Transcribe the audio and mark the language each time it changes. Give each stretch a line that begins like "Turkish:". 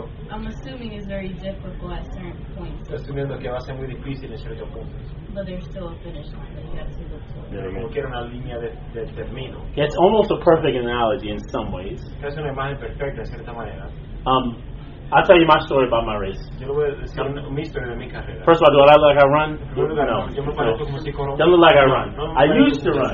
English: I'm assuming it's very difficult at certain points.
Spanish: Asumiendo que va a ser muy difícil en ciertos puntos.
English: But there's still a finish line that you have to look toward.
Spanish: Una línea de término.
English: It's almost a perfect analogy in some ways.
Spanish: Es una imagen perfecta en cierta manera.
English: I'll tell you my story about my race. First of all, do I look like I run? No. Don't look like I run. I used to run.